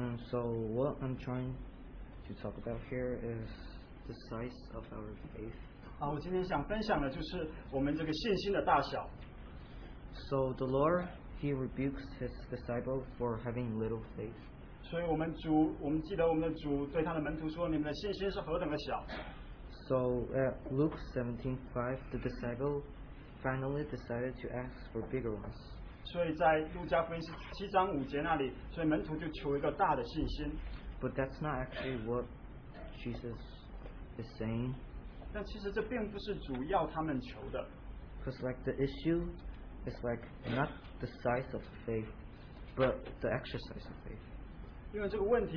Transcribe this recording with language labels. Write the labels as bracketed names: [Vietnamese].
[English] So what I'm trying to talk about here is the size of our faith. [Chinese] 我今天想分享的就是我们这个信心的大小。 [English] So the Lord, He rebukes His disciples for having little faith. [Chinese] 所以我们记得我们的主对他的门徒说，你们的信心是何等的小。 [English] So at Luke 17:5, the disciple finally decided to ask for bigger ones. [Chinese] 所以在路加福音七章五节那里，所以门徒就求一个大的信心。 [English] But that's not actually what Jesus is saying. [Chinese] 但其实这并不是主要他们求的。 [English] Because like the issue is like not the size of faith, but the exercise of faith.